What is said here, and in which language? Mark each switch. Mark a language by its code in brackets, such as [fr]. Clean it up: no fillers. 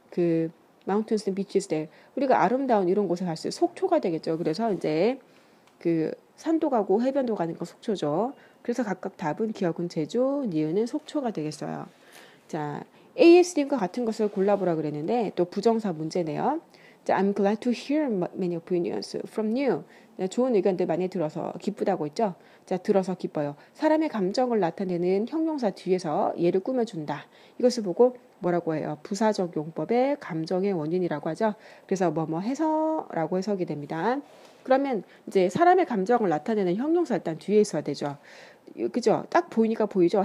[en] 그 mountains and beaches there. [ko] 우리가 아름다운 이런 곳에 갈 수 있어요. 속초가 되겠죠. 그래서 이제 그 산도 가고 해변도 가는 거 속초죠. 그래서 각각 답은 기억은 제주, 니은은 속초가 되겠어요. 자, ASD과 같은 것을 골라보라 그랬는데 또 부정사 문제네요. [en] 자, I'm glad to hear many opinions from you. [ko] 네, 좋은 의견들 많이 들어서 기쁘다고 했죠. 자, 들어서 기뻐요. 사람의 감정을 나타내는 형용사 뒤에서 예를 꾸며준다. 이것을 보고 뭐라고 해요? 부사적 용법의 감정의 원인이라고 하죠. 그래서 뭐뭐 해서 라고 해석이 됩니다. 그러면 이제 사람의 감정을 나타내는 형용사 일단 뒤에 있어야 되죠. 그죠? 딱 보이니까 보이죠?